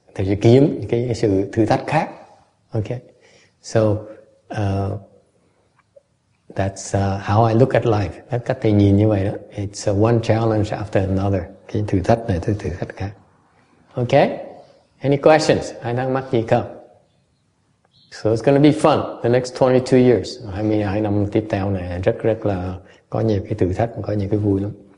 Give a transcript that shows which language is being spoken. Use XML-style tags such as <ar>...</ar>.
<vi>Thầy sẽ kiếm cái sự thử thách khác. Okay.</vi> <en>So that's how I look at life.</en> <vi>Đó, cách thầy nhìn như vậy đó.</vi> <en>It's one challenge after another.</en> <vi>Cái thử thách này tới thử thách khác.</vi> <en>Okay. Any questions?</en> <vi>Ai đang mắc gì không?</vi> <en>So it's going to be fun the next 22 years.</en> <vi>22 năm tiếp theo này rất rất là có nhiều cái thử thách, có nhiều cái vui lắm.</vi>